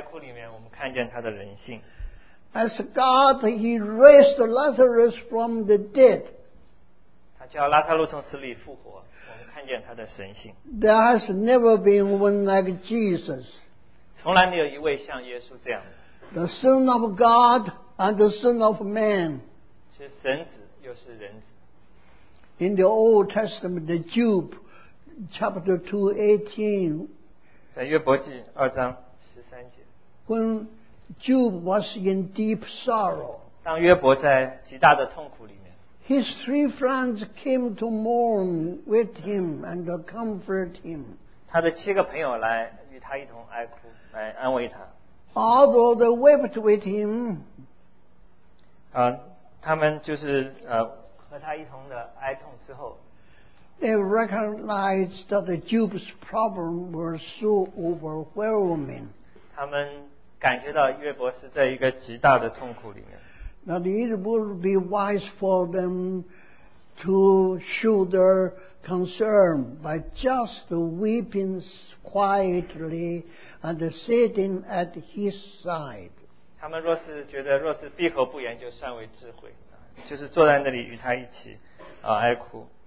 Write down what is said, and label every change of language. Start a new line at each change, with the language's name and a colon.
Chinese: 在他为他朋友哀哭里面，我们看见他的人性。
English: As God, he raised Lazarus from the dead.
Chinese: 他叫拉撒路从死里复活，我们看见他的神性。
English: There has never been one like Jesus.
Chinese: 从来没有一位像耶稣这样的。
English: The Son of God and the Son of Man.
Chinese: 是神子又是人子。
English: In the Old Testament, the Job, chapter 2:18.
Chinese: 在约伯记2章13节。
English: When Job was in deep sorrow.
Chinese: 当约伯在极大的痛苦里面。
English: His three friends came to mourn with him and to comfort him.
Chinese: 他的七个朋友来与他一同哀哭，来安慰他。
English: Although they wept with him.
Chinese: 他们就是。和他一同的哀痛之后,
English: they recognized that the Job's problems were so overwhelming.
Chinese: 他们感觉到约伯是在一个极大的痛苦里面。
English: Now it would be wise for them to show their concern by just weeping quietly and sitting at his side.
Chinese: 他们若是觉得若是闭口不言就算为智慧。就是坐在那里与他一起哀哭。